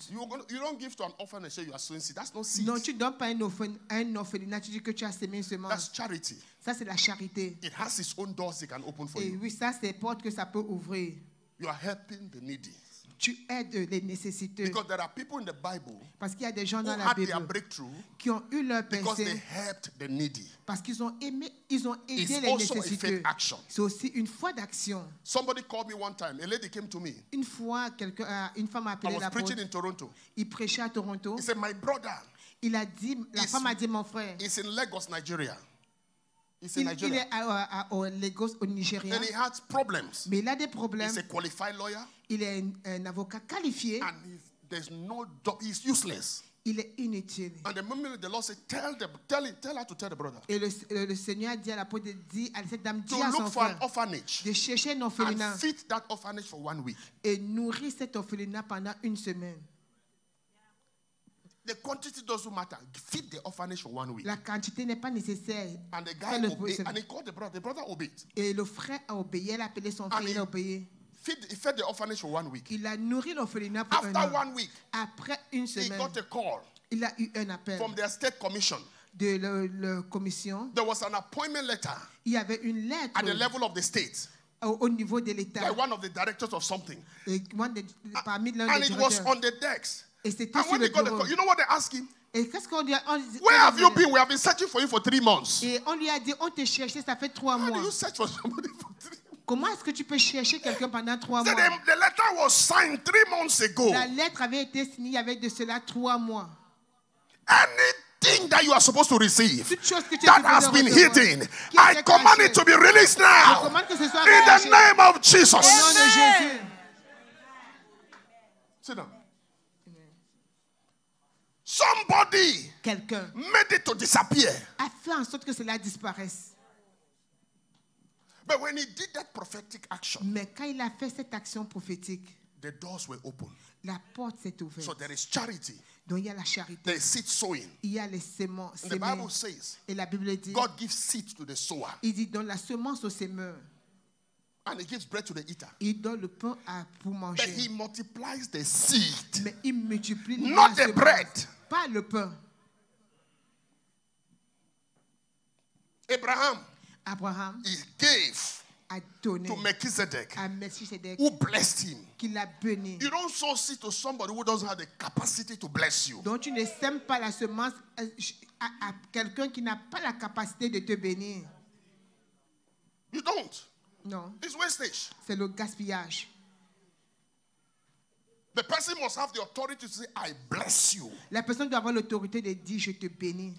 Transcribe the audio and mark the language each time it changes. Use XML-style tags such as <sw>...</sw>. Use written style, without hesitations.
<en>You don't give to an orphan and say you are sowing seed. That's not seed.</en> <fr>Non, tu donnes pas un orphelinat. Tu dis que tu as semé une semence.</fr> <en>That's charity.</en> <fr>Ça c'est la charité.</fr> <en>It has its own doors it can open for</en> <fr>et</fr> <en>you.</en> <fr>Et oui, ça c'est porte que ça peut ouvrir.</fr> <en>You are helping the needy.</en> <fr>Tu aides les nécessiteux.</fr> <en>Because there are people in the Bible.</en> <fr>Parce qu'il y a des gens dans la</fr> <en>Bible. Who had their breakthrough.</en> <fr>Qui ont eu leur percée.</fr> <en>Because they helped the needy.</en> <fr>Parce qu'ils ont aimé, ils ont aidé les nécessiteux.</fr> <en>It's also a faith action.</en> <fr>C'est aussi une foi d'action.</fr> <en>Somebody called me one time. A lady came to me.</en> <fr>Une fois, une femme a appelé la</fr> <en>porte. I was preaching in Toronto.</en> <fr>Il prêchait à Toronto.</fr> <en>He said, my brother.</en> <fr>Il a dit, la femme a dit, mon frère.</fr> <en>It's in Lagos, Nigeria.</en> <fr>Il est à Lagos, au Nigeria.</fr> <en>And he had problems.</en> <fr>Mais il a des problèmes.</fr> <en>He's a qualified lawyer.</en> <fr>Il est un avocat qualifié.</fr> <en>And there's no doubt, he's useless.</en> <fr>Il est inutile.</fr> <en>And the moment the Lord said, tell her to tell the brother.</en> <fr>Et le Seigneur dit à la pauvre, dit à cette dame, dis à son frère.</fr> <en>To look for an orphanage.</en> <fr>De chercher un orphelinat.</fr> <en>And feed that orphanage for 1 week.</en> <fr>Et nourrir cet orphelinat pendant une semaine.</fr> <en>The quantity doesn't matter. Feed the orphanage for 1 week.</en> <fr>La quantité n'est pas nécessaire.</fr> <en>And the guy obeyed. And he called the brother. The brother obeyed.</en> <fr>Et le frère a obéi. Il a appelé son frère. Il a obéi.</fr> <en>He fed the orphanage for 1 week.</en> <fr>Il a nourri l'orphelinat pour un an.</fr> <en>After 1 week.</en> <fr>Après une semaine.</fr> <en>He got a call.</en> <fr>Il a eu un appel.</fr> <en>From the state commission.</en> <fr>De la commission.</fr> <en>There was an appointment letter.</en> <fr>Il y avait une lettre.</fr> <en>At the level of the state.</en> <fr>Au niveau de l'État.</fr> <en>By one of the directors of something.</en> <fr>Parmi l'un des directeurs.</fr> <en>And it was on the decks. Et when they got the call, you know what they ask him?</en> <fr>Et qu'est-ce qu'on lui a, on,</fr> <en>where have you been? We have been searching for you for 3 months.</en> <fr>Et on lui a dit, on te cherchait, ça fait 3 mois.</fr> <en>How do you search for somebody for 3 months?</en> <fr>Comment est-ce que tu peux chercher quelqu'un pendant 3 mois?</fr> <en>So the letter was signed 3 months ago.</en> <fr>La lettre avait été signée avec de cela 3 mois.</fr> <en>Anything that you are supposed to receive that has been hidden, I command it to be released now. In the name of Jesus. Sit down. Somebody</en> <fr>quelqu'un</fr> <en>made it to disappear.</en> <fr>A fait en sorte que cela disparaisse.</fr> <en>But when he did that prophetic action,</en> <fr>mais quand il a fait cette action prophétique,</fr> <en>the doors were open.</en> <fr>La porte s'est ouverte.</fr> <en>So there is charity.</en> <fr>Donc il y a la charité.</fr> <en>There is seed sowing.</en> <fr>Il y a les semences.</fr> <en>The Bible says.</en> <fr>Et la Bible dit.</fr> <en>God gives seed to the sower.</en> <fr>Il dit donne la semence au semeur.</fr> <en>And he gives bread to the eater.</en> <fr>Il donne le pain à pour manger.</fr> <en>But he multiplies the seed.</en> <fr>Mais il multiplie</fr> <en>not the semences. Bread.</en> <fr>Pas le pain.</fr> <en>Abraham. He gave.</en> <fr>A donné.</fr> <en>To Melchizedek.</en> <fr>À Melchizedek.</fr> <en>Who blessed him.</en> <fr>Qui l'a béni.</fr> <en>You don't sow seed to somebody who doesn't have the capacity to bless you.</en> <fr>Donc tu ne sèmes pas la semence à quelqu'un qui n'a pas la capacité de te bénir.</fr> <en>You don't.</en> <fr>Non.</fr> <en>It's wastage.</en> <fr>C'est le gaspillage.</fr> <en>The person must have the authority to say, I bless you.</en> <fr>La personne doit avoir l'autorité de dire, je te bénis.</fr>